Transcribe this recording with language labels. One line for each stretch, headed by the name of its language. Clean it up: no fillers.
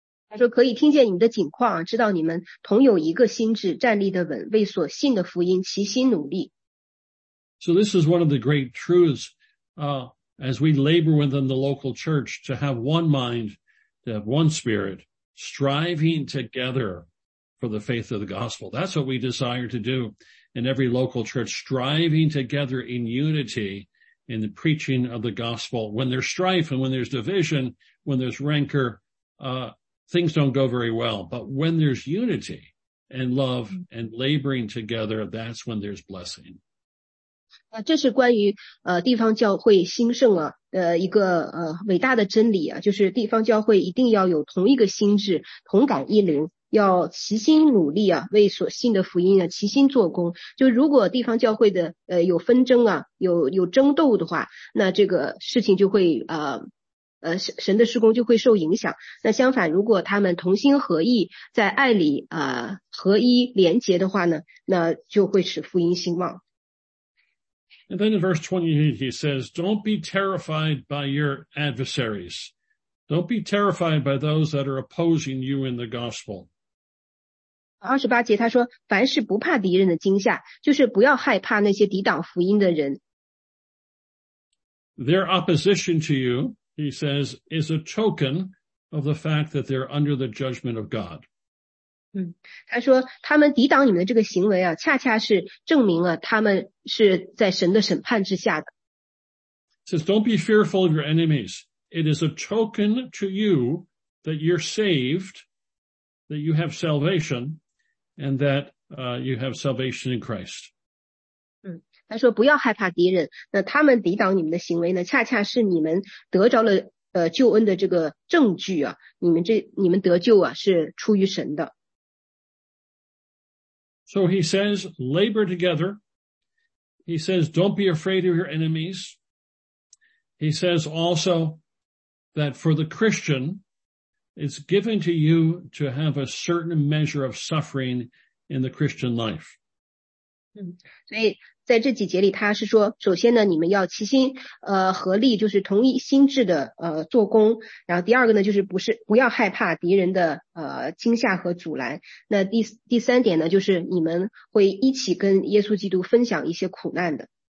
Chinese: 他说可以听见你们的景况，知道你们同有一个心志，站立的稳，为所信的福音齐心努力。
English: So this is one of the great truths, as we labor within the local church, to have one mind, to have one spirit, striving together for the faith of the gospel. That's what we desire to do. In every local church, striving together in unity in the preaching of the gospel. When there's strife and when there's division, when there's rancor, things don't go very well. But when there's unity and love and laboring together, that's when there's blessing.
Chinese: 这是关于地方教会兴盛啊的一个伟大的真理啊，就是地方教会一定要有同一个心智，同感一灵，要齐心努力啊，为所信的福音啊齐心做工。就如果地方教会的有纷争啊，有争斗的话，那这个事情就会神的施工就会受影响。那相反，如果他们同心合意，在爱里合一连结的话呢，那就会使福音兴旺。
English: And then in verse 28, he says, don't be terrified by your adversaries. Don't be terrified by those that are opposing you in the gospel.
Chinese: 28节他说，凡事不怕敌人的惊吓，就是不要害怕那些抵挡福音的人。
English: Their opposition to you, he says, is a token of the fact that they're under the judgment of God.
Chinese: 他说他们抵挡你们的这个行为啊，恰恰是证明了他们是在神的审判之下的。
English: Says, don't be fearful of your enemies. It is a token to you that you're saved, that you have salvation, and that you have salvation in Christ.
Chinese: 他说不要害怕敌人，那他们抵挡你们的行为呢，恰恰是你们得着了救恩的这个证据啊，你们得救啊是出于神的。
English: So he says, labor together. He says, don't be afraid of your enemies. He says also that for the Christian, it's given to you to have a certain measure of suffering in the Christian life.
Chinese: 所以在这几节里他是说，首先呢，你们要齐心合力，就是同一心智的做工。然后第二个呢，就是不要害怕敌人的惊吓和阻拦。那第三点呢，就是你们会一起跟耶稣基督分享一些苦难的。